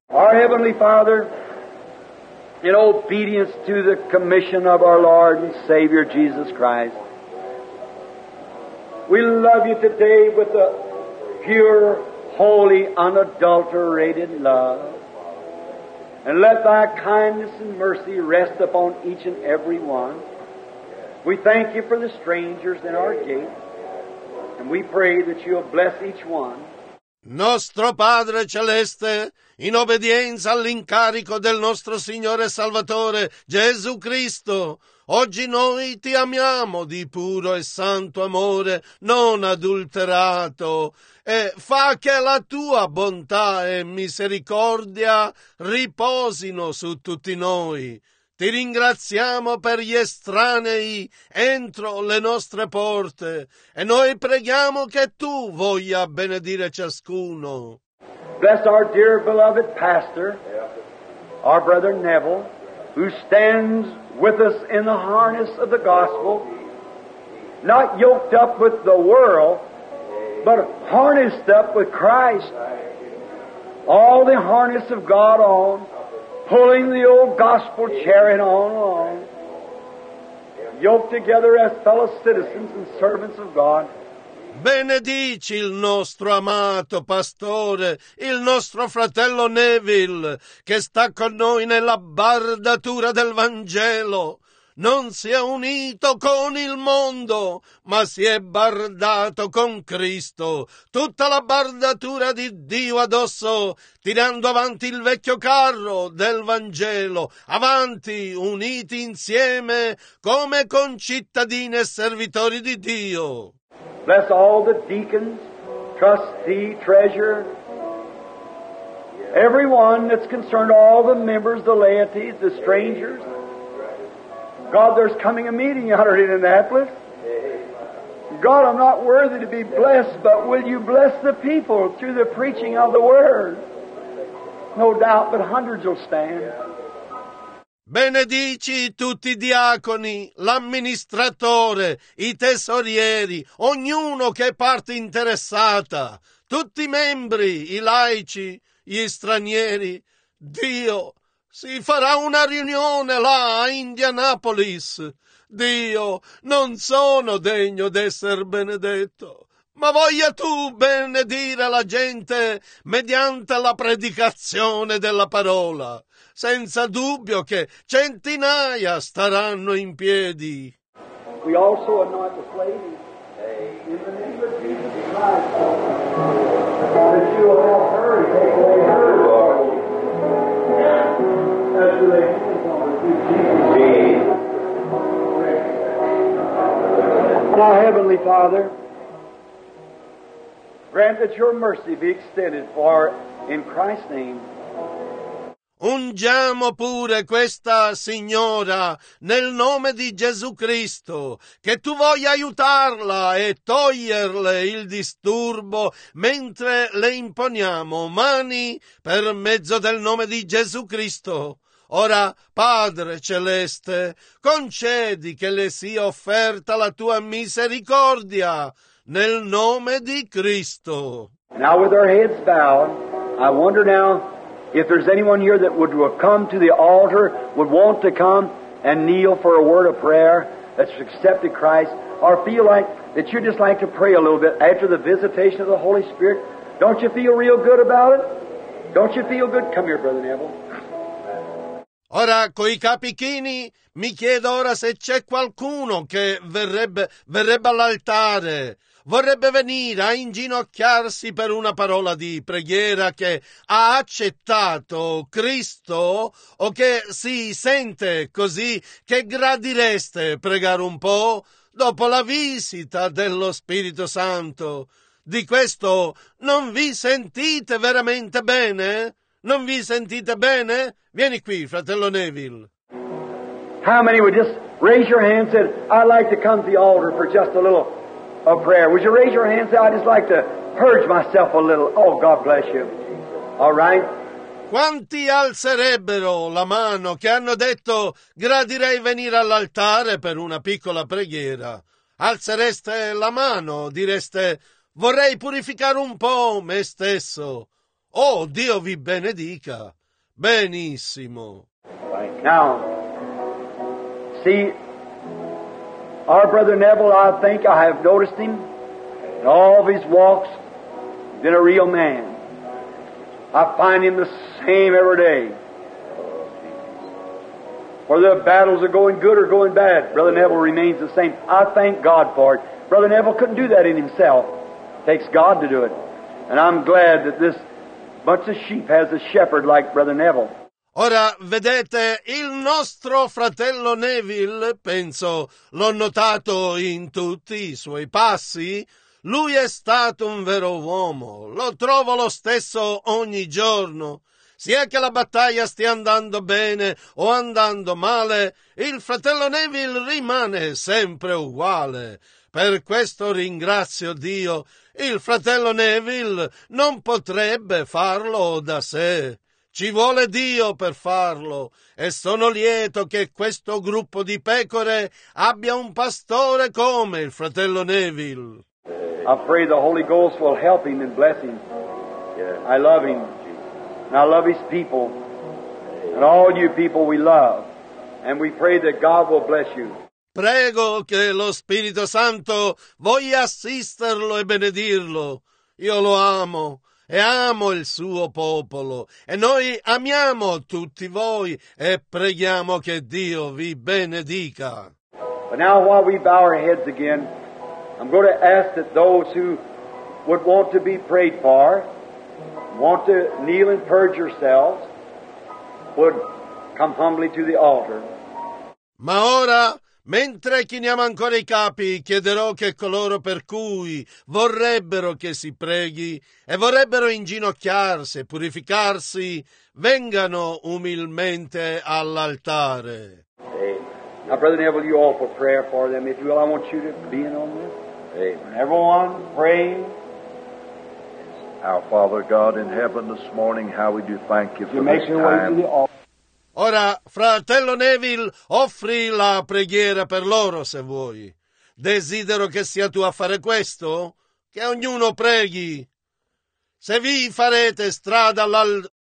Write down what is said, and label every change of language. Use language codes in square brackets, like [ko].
[en] Our Heavenly Father, in obedience to the commission of our Lord and Savior Jesus Christ, we love you today with the pure, holy, unadulterated love. And let thy kindness and mercy rest upon each and every one. We thank you for the strangers in our gate, and we pray that you'll bless each one. [it] Nostro Padre Celeste, in obbedienza all'incarico del nostro Signore Salvatore, Gesù Cristo, Oggi noi ti amiamo di puro e santo amore, non adulterato, e fa che la tua bontà e misericordia riposino su tutti noi. Ti ringraziamo per gli estranei entro le nostre porte e noi preghiamo che tu voglia benedire ciascuno. [en] Bless our dear beloved pastor, our brother Neville, who stands with us in the harness of the gospel, not yoked up with the world, but harnessed up with Christ, all the harness of God on, pulling the old gospel chariot on along, yoked together as fellow citizens and servants of God. [it] Benedici il nostro amato pastore, il nostro fratello Neville, che sta con noi nella bardatura del Vangelo. Non si è unito con il mondo, ma si è bardato con Cristo, tutta la bardatura di Dio addosso, tirando avanti il vecchio carro del Vangelo, avanti, uniti insieme, come concittadini e servitori di Dio. [en] Bless all the deacons, trustee, treasurer, everyone that's concerned, all the members, the laity, the strangers. God, there's coming a meeting out here in Annapolis. God, I'm not worthy to be blessed, but will you bless the people through the preaching of the word? No doubt, but hundreds will stand. [it] Benedici tutti i diaconi, l'amministratore, i tesorieri, ognuno che è parte interessata, tutti i membri, i laici, gli stranieri. Dio, si farà una riunione là a Indianapolis. Dio, non sono degno d'essere benedetto, ma voglia tu benedire la gente mediante la predicazione della parola. Senza dubbio che centinaia staranno in piedi. [en] We also anoint the slave in the name of Jesus Christ, that you will have her and take away her glory. As you lay hands on her, Jesus. Now, Heavenly Father, grant that your mercy be extended for in Christ's name. [it] Ungiamo pure questa signora nel nome di Gesù Cristo, che tu voglia aiutarla e toglierle il disturbo mentre le imponiamo mani per mezzo del nome di Gesù Cristo. Ora, Padre Celeste, concedi che le sia offerta la tua misericordia nel nome di Cristo. [en] Now with our heads bowed, I wonder now, if there's anyone here that would come to the altar, would want to come and kneel for a word of prayer that's accepted Christ, or feel like that you'd just like to pray a little bit after the visitation of the Holy Spirit, don't you feel real good about it? Don't you feel good? Come here, Brother Neville. [it] Ora, coi capi chini, mi chiedo ora se c'è qualcuno che verrebbe all'altare. Vorrebbe venire a inginocchiarsi per una parola di preghiera che ha accettato Cristo o che si sente così che gradireste pregare un po' dopo la visita dello Spirito Santo. Di questo non vi sentite veramente bene? Non vi sentite bene? Vieni qui, fratello Neville. [en] How many would just raise your hand and said, I'd like to come to the altar for just a little a prayer. Would you raise your hand and say, I'd just like to purge myself a little. Oh, God bless you. All right? [it] Quanti alzerebbero la mano che hanno detto, gradirei venire all'altare per una piccola preghiera? Alzereste la mano, direste, vorrei purificare un po' me stesso. Oh, Dio vi benedica. Benissimo. [en] Right. Now, see, our brother Neville, I think I have noticed him in all of his walks, been a real man. I find him the same every day. Whether the battles are going good or going bad, Brother Neville remains the same. I thank God for it. Brother Neville couldn't do that in himself. It takes God to do it. And I'm glad that this bunch of sheep has a shepherd like Brother Neville. [it] Ora, vedete, il nostro fratello Neville, penso, l'ho notato in tutti i suoi passi, lui è stato un vero uomo, lo trovo lo stesso ogni giorno. Sia che la battaglia stia andando bene o andando male, il fratello Neville rimane sempre uguale. Per questo ringrazio Dio, il fratello Neville non potrebbe farlo da sé. Ci vuole Dio per farlo e sono lieto che questo gruppo di pecore abbia un pastore come il fratello Neville. [en] I pray the Holy Ghost will help him and bless him. I love him. And I love his people. And all you people we love. And we pray that God will bless you. [it] Prego che lo Spirito Santo voglia assisterlo e benedirlo. Io lo amo. E amo il suo popolo, e noi amiamo tutti voi, e preghiamo che Dio vi benedica. [en] But now, while we bow our heads again, I'm going to ask that those who would want to be prayed for, want to kneel and purge yourselves, would come humbly to the altar. [it] Ma ora, mentre chiniamo ancora i capi, chiederò che coloro per cui vorrebbero che si preghi e vorrebbero inginocchiarsi e purificarsi vengano umilmente all'altare. [en] Amen. Now, Brother Neville, you offer prayer for them. If you will, I want you to be in on this. Amen. Everyone pray. Our Father God in heaven this morning, how we do thank you for this time. Way to the altar. [it] Ora, fratello Neville, offri la preghiera per loro, se vuoi. Desidero che sia tu a fare questo, che ognuno preghi. Se vi farete strada all'altare...